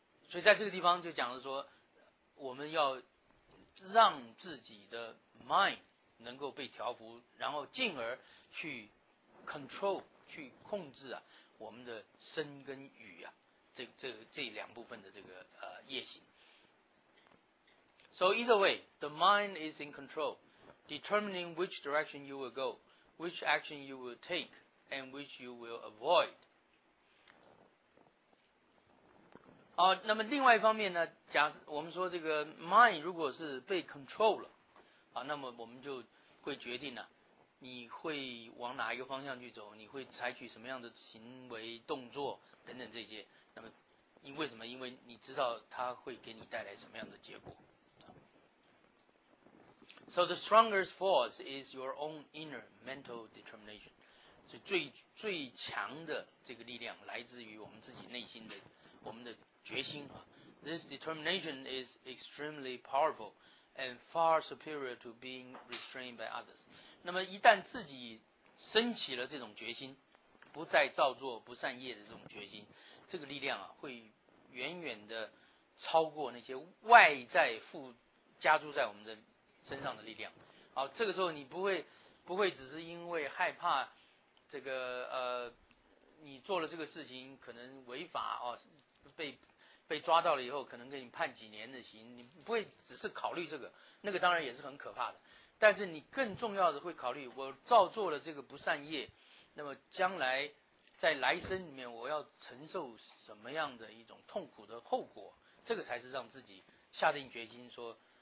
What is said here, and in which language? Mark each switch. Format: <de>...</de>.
<zh>所以在这个地方就讲了说，我们要让自己的 mind 能够被调伏，然后进而去 control 去控制啊我们的身跟语啊这两部分的这个业行。</zh> <en>So either way, the mind is in control, determining which direction you will go. Which action you will take and which you will avoid.</en> <zh>好，那么另外一方面呢，假设我们说这个 mind 如果是被 control 了，啊，那么我们就会决定呢、啊，你会往哪一个方向去走，你会采取什么样的行为、动作等等这些。那么，因为什么？因为你知道它会给你带来什么样的结果。</zh> <en>So the strongest force is your own inner mental determination.</en> <zh>所以最强的这个力量来自于我们自己内心的我们的决心啊。</zh> <en>This determination is extremely powerful and far superior to being restrained by others.</en> <zh>那么一旦自己升起了这种决心，不再造作不善业的这种决心，这个力量啊，会远远的超过那些外在附加注在我们的身上的力量。好，这个时候你不会只是因为害怕这个你做了这个事情可能违法哦，被抓到了以后可能给你判几年的刑，你不会只是考虑这个，那个当然也是很可怕的，但是你更重要的会考虑，我造作了这个不善业，那么将来在来生里面我要承受什么样的一种痛苦的后果，这个才是让自己下定决心说</zh>